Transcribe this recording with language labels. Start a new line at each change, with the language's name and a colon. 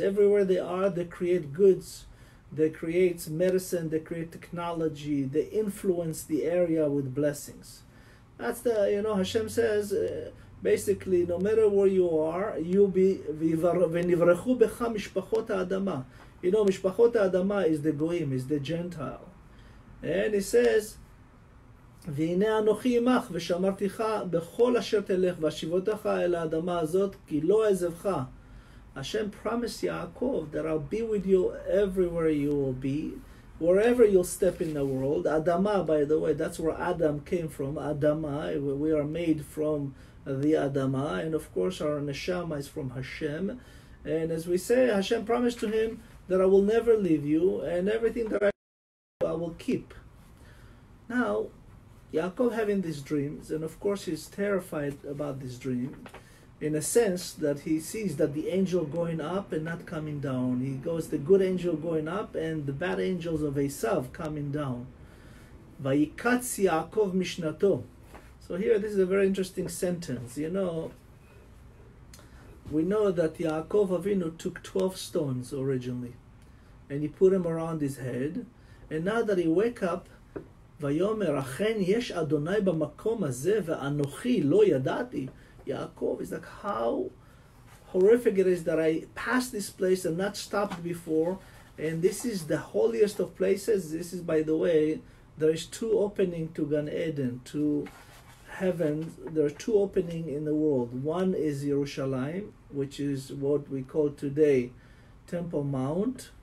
English: Everywhere they are, they create goods. They create medicine, they create technology. They influence the area with blessings. That's the, you know, Hashem says, basically, no matter where you are, you'll be, v'nivrechu becha mishpachot ha'adama. You know, mishpachot ha'adama is the goyim, is the Gentile.
Hebrew: And he says, והנה אנוכי עמך ושמרתיך בכל אשר תלך ושיבותך אל האדמה הזאת כי לא עזבך.
English: Hashem promised Yaakov that I'll be with you everywhere you will be, wherever you'll step in the world. Adama, by the way, that's where Adam came from. Adama, we are made from the Adama, and of course our neshama is from Hashem. And as we say, Hashem promised to him that I will never leave you, and everything that I will keep. Now, Yaakov having these dreams, and of course he's terrified about this dream, in a sense that he sees that the angel going up and not coming down. He goes, the good angel going up and the bad angels of Esav coming down. Vayikatz Yaakov mishnato. So here, this is a very interesting sentence. You know, we know that Yaakov Avinu took 12 stones originally, and he put them around his head.
Hebrew: another he wake up ויאמר אכן יש אדוני במקום הזה ואנוכי לא ידעתי.
English: יעקב is like, how horrific it is that I passed this place and not stopped before, and this is the holiest of places. This is, by the way, there is two opening to Gan Eden, to heaven. There are two opening in the world. One is Jerusalem, which is what we call today Temple Mount.